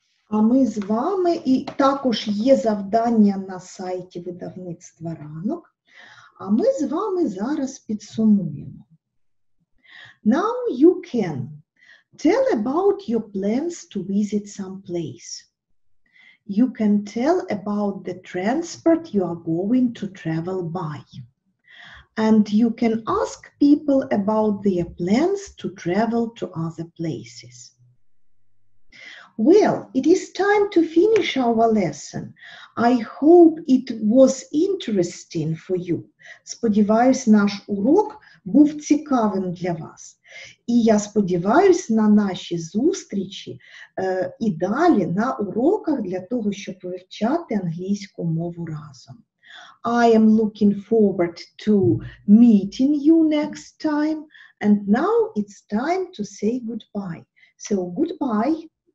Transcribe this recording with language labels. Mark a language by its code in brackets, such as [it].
[uk] А ми з вами, і також є завдання на сайті видавництва «Ранок», а ми з вами зараз підсумуємо. [en] Now you can Tell about your plans to visit some place. You can tell about the transport you are going to travel by. And you can ask people about their plans to travel to other places. Well, it is time to finish our lesson. I hope it was interesting for you. [uk] Сподіваюсь, наш урок був цікавим для вас. І я сподіваюсь на наші зустрічі і далі на уроках для того, щоб вивчати англійську мову разом. [en] I am looking forward to meeting you next time. And now it's time to say goodbye. So, goodbye.